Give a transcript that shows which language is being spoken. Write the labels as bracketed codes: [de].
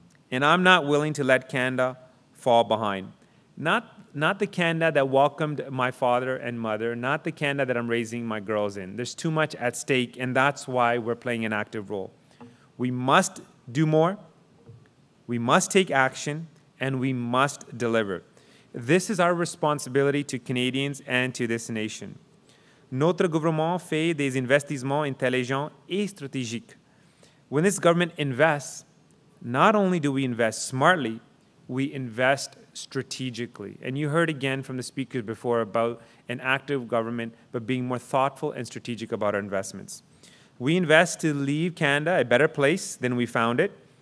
[en] And I'm not willing to let Canada fall behind. Not the Canada that welcomed my father and mother, not the Canada that I'm raising my girls in. There's too much at stake, and that's why we're playing an active role. We must do more. We must take action, and we must deliver. This is our responsibility to Canadians and to this nation. [fr] Notre gouvernement fait des investissements intelligents et stratégiques. [en] When this government invests, not only do we invest smartly, we invest strategically. And you heard again from the speakers before about an active government, but being more thoughtful and strategic about our investments. We invest to leave Canada a better place than we found it.